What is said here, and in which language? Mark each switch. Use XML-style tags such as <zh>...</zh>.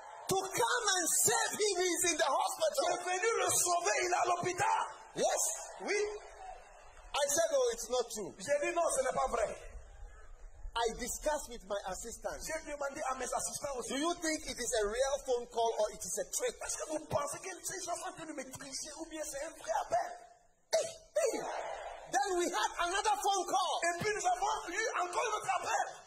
<en>To come and save him, he's in the hospital.</en> <fr>Il est venu le sauver, il est à l'hôpital.</fr> <en>Yes.</en> <fr>Oui.</fr> <en>I said, oh, it's not true.</en> <fr>J'ai dit, non, ce n'est pas vrai.</fr> <en>I discussed with my assistant.</en> <fr>J'ai demandé à mes assistants aussi.</fr> <en>Do you think it is a real phone call or it is a trick?</en> <fr>Est-ce que vous pensez qu'il s'agit en train de me tricher ou bien c'est un vrai appel?</fr> <en>Then we had another phone call.</en> <fr>Et puis nous avons eu encore notre appel.</fr>